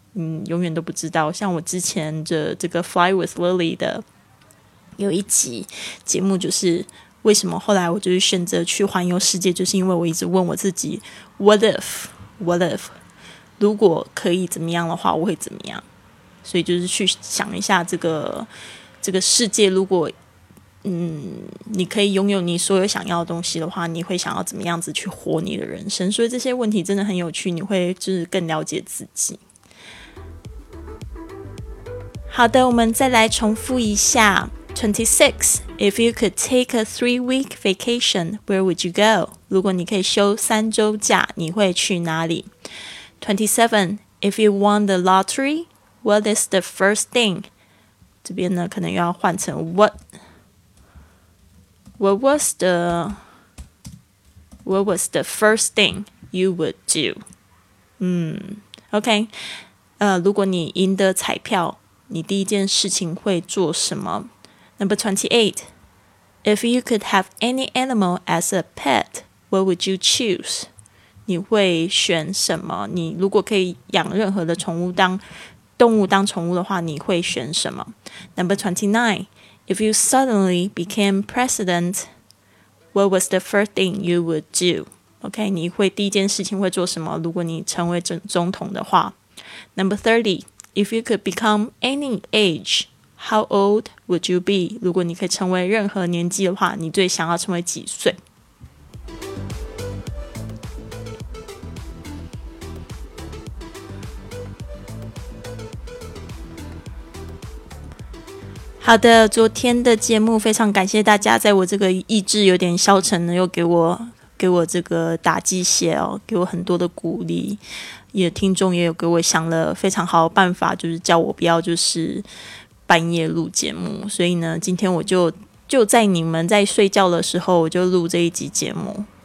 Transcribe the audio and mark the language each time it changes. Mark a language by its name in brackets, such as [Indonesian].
[Chinese] 永远都不知道，像我之前的这个 Fly with Lily 的有一集节目，就是为什么后来我就是选择去环游世界，就是因为我一直问我自己 What if 如果可以怎么样的话我会怎么样，所以就是去想一下这个世界，如果你可以拥有你所有想要的东西的话，你会想要怎么样子去活你的人生。所以这些问题真的很有趣，你会就是更了解自己。好的，我们再来重复一下。 26. [English] If you could take a three-week vacation, where would you go? [Chinese] 如果你可以休三周假，你会去哪里？ 27. [English] If you won the lottery, what is the first thing? [Chinese] 这边呢，可能要换成 [English] What was the first thing you would do? OK. [Chinese] 如果你赢得彩票，你第一件事情会做什么？ [English] Number 28. If you could have any animal as a pet, what would you choose? [Chinese] 你会选什么？你如果可以养任何的宠物当动物当宠物的话，你会选什么？ [English] Number 29. If you suddenly became president, what was the first thing you would do? [Chinese] OK, 你会第一件事情会做什么？如果你成为总统的话。 [English] Number 30. If you could become any age,How old would you be? [Chinese] 如果你可以成为任何年纪的话，你最想要成为几岁？好的，昨天的节目非常感谢大家，在我这个意志有点消沉的，又给我这个打鸡血哦，给我很多的鼓励，也听众也有给我想了非常好的办法，就是叫我不要就是半夜录节目，所以呢今天我就在你们在睡觉的时候我就录这一集节目。